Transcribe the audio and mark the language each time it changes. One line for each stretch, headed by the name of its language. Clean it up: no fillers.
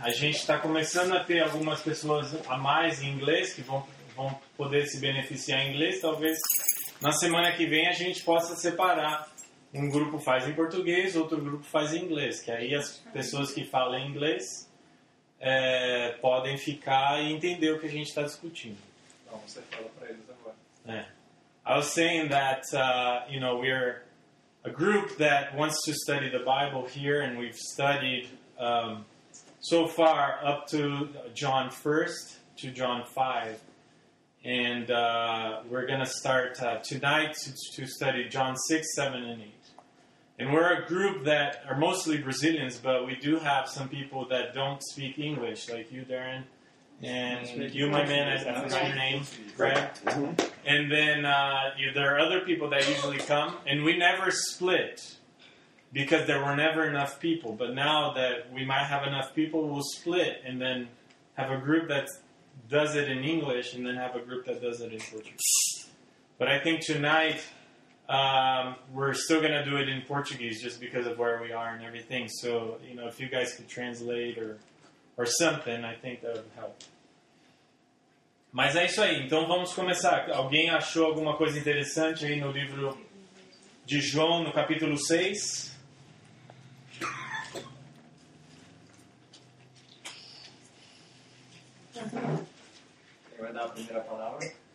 Portuguese: A gente está começando a ter algumas pessoas a mais em inglês que vão poder se beneficiar em inglês. Talvez na semana que vem a gente possa separar. Um grupo faz em português, outro grupo faz em inglês. Que aí as pessoas que falam inglês podem ficar e entender o que a gente está discutindo. Então você fala para eles agora.
English: I was saying that we're a group that wants to study the Bible here, and we've studied so far up to John 1st to John 5. And we're going to start tonight to study John 6, 7, and 8. And we're a group that are mostly Brazilians, but we do have some people that don't speak English, like you, Darren. And you, my man, I forgot your name, Greg. And then there are other people that usually come. And we never split because there were never enough people. But now that we might have enough people, we'll split and then have a group that does it in English and then have a group that does it in Portuguese. But I think tonight we're still going to do it in Portuguese just because of where we are and everything. So, you know, if you guys could translate or something, I think that would help.
Portuguese: Mas é isso aí. Então vamos começar. Alguém achou alguma coisa interessante aí no livro de João, no capítulo 6? Quem vai dar a primeira palavra?